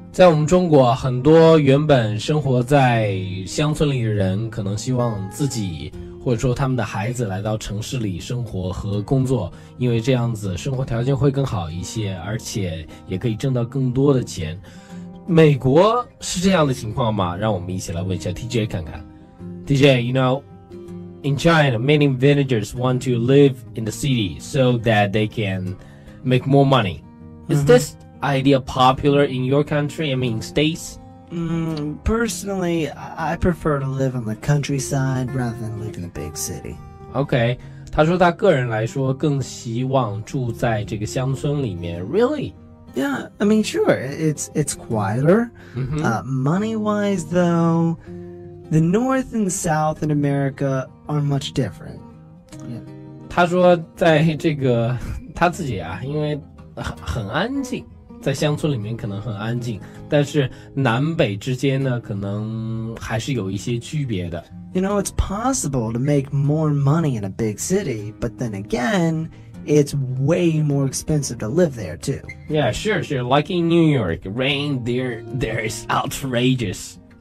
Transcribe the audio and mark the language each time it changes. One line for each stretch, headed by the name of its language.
Chinese: 在我们中国，很多原本生活在乡村里的人可能希望自己或者说他们的孩子来到城市里生活和工作，因为这样子生活条件会更好一些，而且也可以挣到更多的钱。美国是这样的情况吗？让我们一起来问一下 TJ 看看。
English: TJ, you know, in China, many villagers want to live in the city so that they can make more money. Is this idea popular in your country, I mean states? Personally, I prefer to live in the countryside rather than live in a big city.
Chinese: Okay, 他说他个人来说更希望住在这个乡村里面。
English: Really? Yeah, I mean, sure, it's quieter. Money-wise, though, the north and south in America are much different.
Chinese: Yeah. 他说在这个他自己啊，因为很安静。在乡村里面可能很安静，但是南北之间呢，可能还是有一些区别的。
English: You know, it's possible to make more money in a big city, but then again, it's way more expensive to live there too. Yeah, sure, sure. Like in New York, rain there is outrageous.